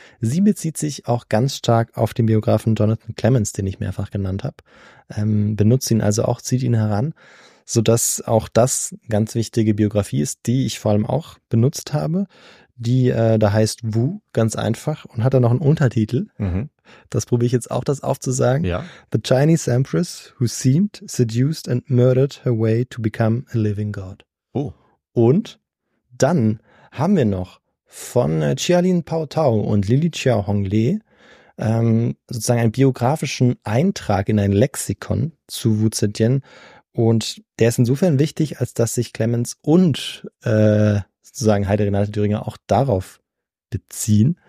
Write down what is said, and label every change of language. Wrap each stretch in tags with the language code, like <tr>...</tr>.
<de>Sie bezieht sich auch ganz stark auf den Biografen Jonathan Clements, den ich mehrfach genannt habe, benutzt ihn also auch, zieht ihn heran, sodass auch das ganz wichtige Biografie ist, die ich vor allem auch benutzt habe. Die, da heißt Wu, ganz einfach, und hat dann noch einen Untertitel. Mhm. Das probiere ich jetzt auch, das aufzusagen. Ja.</de> <en>The Chinese Empress Who Seemed, Seduced and Murdered Her Way to Become a Living God. Oh.</en> <de>Und dann haben wir noch von Chialin Pao Tao und Lili Chiao Hong Le sozusagen einen biografischen Eintrag in ein Lexikon zu Wu Zetian. Und der ist insofern wichtig, als dass sich Clemens und sozusagen Heide Renate Döringer auch darauf beziehen,</de>